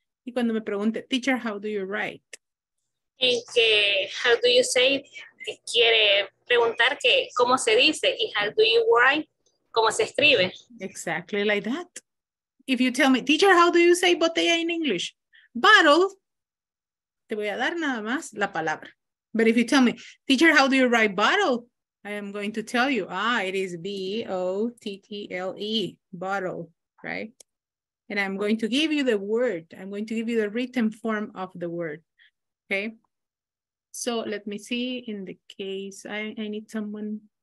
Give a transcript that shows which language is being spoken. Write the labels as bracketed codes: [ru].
[es] Y cuando me pregunte, teacher, [en] how do you write? [es] En que, [en] how do you say, [es] quiere preguntar que, ¿cómo se dice? Y [en] how do you write, [es] ¿cómo se escribe? [en] Exactly like that. If you tell me, teacher, how do you say botella in English? Bottle, [es] te voy a dar nada más la palabra. [en] But if you tell me, teacher, how do you write bottle? I am going to tell you, ah, it is B-O-T-T-L-E, bottle, right? And I'm going to give you the word. I'm going to give you the written form of the word, okay? So let me see in the case, I need someone.